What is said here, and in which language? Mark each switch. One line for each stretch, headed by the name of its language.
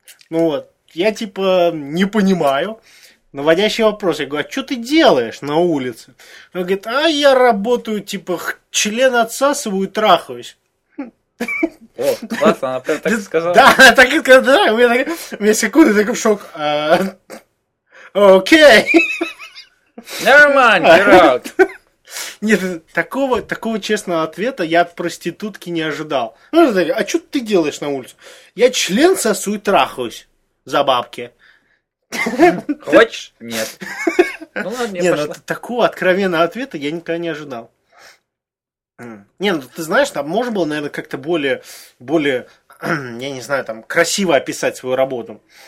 Russian: Ну вот, я типа не понимаю. Наводящий вопрос, я говорю, а что ты делаешь на улице? Она говорит, а я работаю, типа, член отсасываю и трахаюсь. О, классно, она прям так и сказала. Да, она так и сказала, да, у меня секунды, такой шок. Окей. Нормально,
English: you're out.
Russian: Нет, такого честного ответа я от проститутки не ожидал. Ну, а что ты делаешь на улице? Я член сосу и трахаюсь за бабки. Хочешь? Нет. Ну ладно, нет, пошла. Ну, такого откровенного ответа я никогда не ожидал. Не, ну ты знаешь, там можно было, наверное, как-то более, я не знаю, там, красиво описать свою работу.